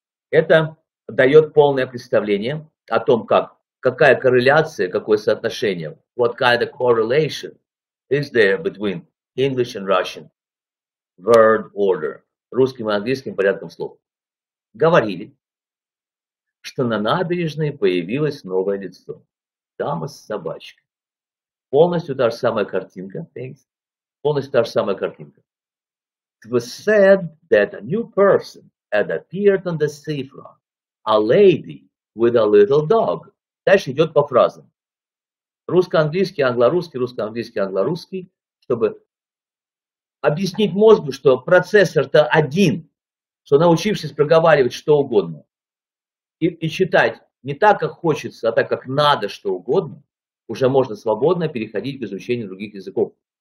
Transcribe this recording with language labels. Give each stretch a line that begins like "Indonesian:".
Russian: Это дает полное представление о том, как, какая корреляция, какое соотношение,
English: what kind of correlation is there between English and Russian word order,
Russian: русским и английским порядком слов. Говорили, что на набережной появилось новое лицо. Дама с собачкой. Полностью та же самая картинка.
English: Thanks.
Russian: Полностью та же самая картинка.
English: It was said that a new person had appeared on the seafront. A lady with a little dog.
Russian: Дальше идет по фразам. Русско-английский, англо-русский, русско-английский, англо-русский. Чтобы объяснить мозгу, что процессор-то один. Что научившись проговаривать что угодно. И читать не так, как хочется, а так, как надо, что угодно, уже можно свободно переходить к изучению других языков.